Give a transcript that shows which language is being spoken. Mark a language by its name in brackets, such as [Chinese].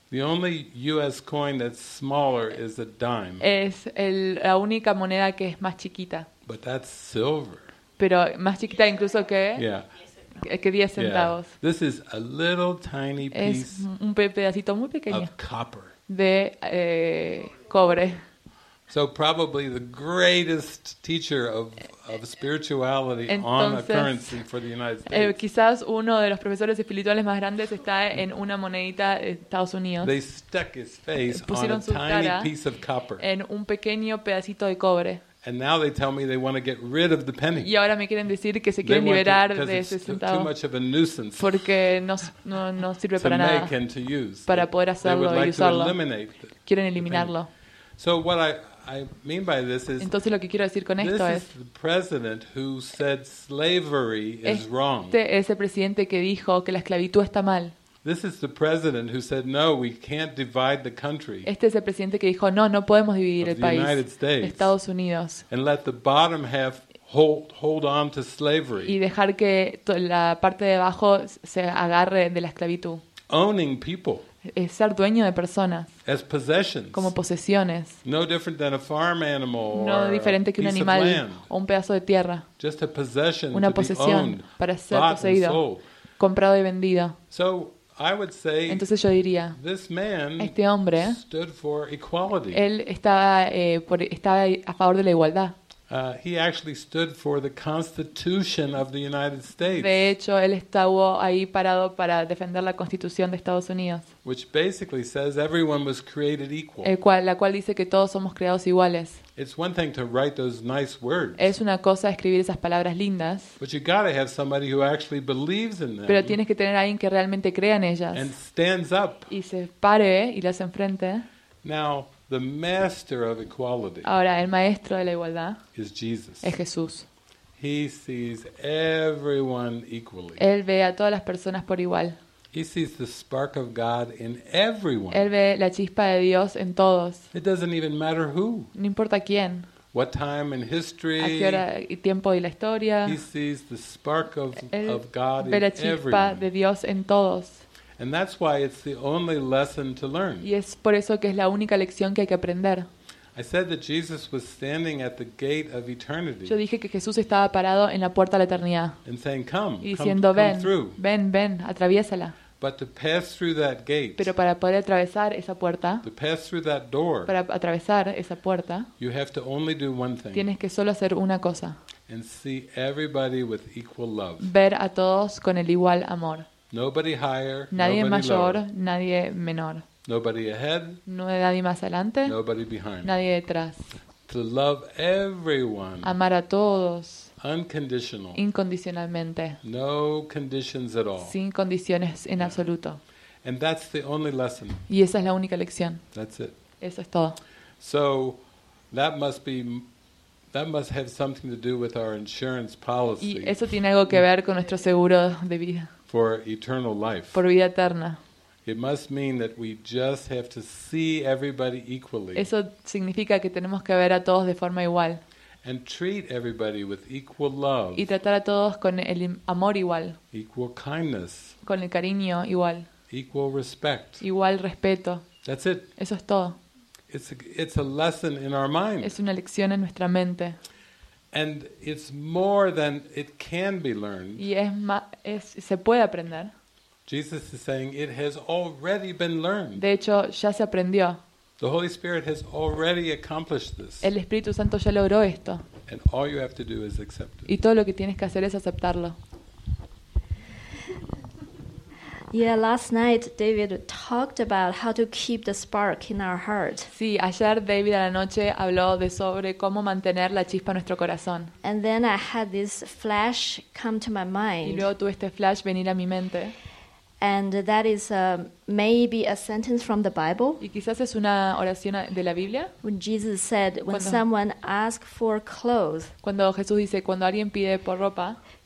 [English] The only US coin that's smaller is a dime. [Spanish] Es la única moneda que es más chiquita. [English] But that's silver. [Spanish] Pero más chiquita incluso que [English] yeah. [Spanish] que 10 centavos. [English] Yeah. This is a little tiny piece. [Spanish] Es un pedacito muy pequeño. [English] Of copper. [Spanish] De cobre. [English] So probably the greatest teacher of spirituality. [Spanish] Entonces, [English] on a currency for the United States. [Spanish] Quizás uno de los profesores espirituales más grandes está en una monedita de Estados Unidos. [English] They stuck his face [Spanish] pusieron [English] on a tiny piece of copper. [Spanish] En un pequeño pedacito de cobre. [English] And now they tell me they want to get rid of the penny. [Spanish] Y ahora me quieren decir que se quieren liberar de ese centavo. [English] Too much of a nuisance. [Spanish] Porque no sirve [English] to [Spanish] para [English] make And to use. [Spanish] Para poder hacerlo [English] they would like [Spanish] y usarlo. [English] To eliminate [Spanish] quieren eliminarlo. [English] So what I mean by this is. [Spanish] Entonces lo que quiero decir con esto es. [English] This is the president who said slavery is wrong. [Spanish] Este es el presidente que dijo que la esclavitud está mal. [English] This is the president who said no, we can't divide the country. [Spanish] Este es el presidente que dijo no podemos dividir el país. Estados Unidos. [English] And let the bottom half hold on to slavery. [Spanish] Y dejar que la parte de abajo se agarre de la esclavitud. [English] Owning people. [Spanish] Es ser dueño de personas. [English] As possessions. [Spanish] Como posesiones. [English] No different than a farm animal or [Spanish] no diferente que un animal o un pedazo de tierra. [English] Just a possession [Spanish] una [English] to [Spanish] posesión [English] be owned, [Spanish] para ser poseído, comprado y vendido. [English] So, I would say, [Spanish] entonces yo diría, [English] this man, [Spanish] este hombre, [English] stood for equality. [Spanish] Él estaba, estaba a favor de la igualdad. [English] He actually stood for the Constitution of the United States. [Spanish] De hecho, él estuvo ahí parado para defender la Constitución de Estados Unidos. [English] Which basically says everyone was created equal. [Spanish] La cual dice que todos somos creados iguales. [English] It's one thing to write those nice words. [Spanish] Es una cosa escribir esas palabras lindas. [English] But you got to have somebody who actually believes in them. [Spanish] Pero tienes que tener a alguien que realmente crea en ellas. [English] And stands up. [Spanish] Y se pare y las enfrente. [English] Now, the master of equality. [Spanish] Ahora, el maestro de la igualdad [English] is Jesus. [Spanish] Es Jesús. [English] He sees everyone equally. [Spanish] Él ve a todas las personas por igual. [English] He sees the spark of God in everyone. [Spanish] Él ve la chispa de Dios en todos. [English] It doesn't even matter who. [Spanish] No importa quién. [English] What time in history? [Spanish] A qué hora y tiempo de la historia. [English] He sees the spark of God in everyone. [Spanish] Ve la chispa de Dios en todos. [English] And that's why it's the only lesson to learn. [Spanish] Y es por eso que es la única lección que hay que aprender. [English] I said that Jesus was standing at the gate of eternity. [Spanish] Yo dije que Jesús estaba parado en la puerta de la eternidad. [English] And saying, "Come, [Spanish] y diciendo, [English] come, [Spanish] ven, [English] come through." [Spanish] Ven, atraviésala. [English] But to pass through that gate. [Spanish] Pero para poder atravesar esa puerta. [English] To pass through that door. [Spanish] Para atravesar esa puerta. [English] You have to only do one thing. [Spanish] Tienes que solo hacer una cosa. [English] And see everybody with equal love. [Spanish] Ver a todos con el igual amor. [English] Nobody higher, [Spanish] nadie [English] nobody [Spanish] mayor, [English] lower. [Spanish] Nadie menor. [English] Nobody ahead, [Spanish] nadie más adelante. [English] Nobody behind, [Spanish] nadie detrás. [English] To love everyone, [Spanish] amar a todos. [English] Unconditional, [Spanish] incondicionalmente. [English] No conditions at all, [Spanish] sin condiciones en absoluto. [English] And that's the only lesson. [Spanish] Y esa es la única lección. [English] That's it. [Spanish] Eso es todo. [English] So that must have something to do with our insurance policy. [Spanish] Y eso tiene algo que ver con nuestro seguro de vida. [English] For eternal life. [Spanish] Por vida eterna. [English] It must mean that we just have to see everybody equally. [Spanish] Eso significa que tenemos que ver a todos de forma igual. [English] And treat everybody with equal love. [Spanish] Y tratar a todos con el amor igual. [English] Equal kindness. [Spanish] Con el cariño igual. [English] Equal respect. [Spanish] Igual respeto. [English] That's it. [Spanish] Eso es todo. [English] It's a lesson in our mind. [Spanish] Es una lección en nuestra mente. [English] And it's more than it can be learned. [Spanish] Y es más, se puede aprender. [English] Jesus is saying it has already been learned. [Spanish] De hecho, ya se aprendió. [English] The Holy Spirit has already accomplished this. [Spanish] El Espíritu Santo ya logró esto. [English] And all you have to do is accept it. [Spanish] Y todo lo que tienes que hacer es aceptarlo. [English] Yeah, last night David talked about how to keep the spark in our heart. [Spanish] Sí, ayer David a la noche habló de sobre cómo mantener la chispa en nuestro corazón. [English] And then I had this flash come to my mind. [Spanish] Y luego tuve este flash venir a mi mente. [English] And that is maybe a sentence from the Bible. [Spanish] Y quizás es una oración de la Biblia. [English] When Jesus said, when someone asks for clothes. [Spanish] Cuando Jesús dice cuando alguien pide por ropa.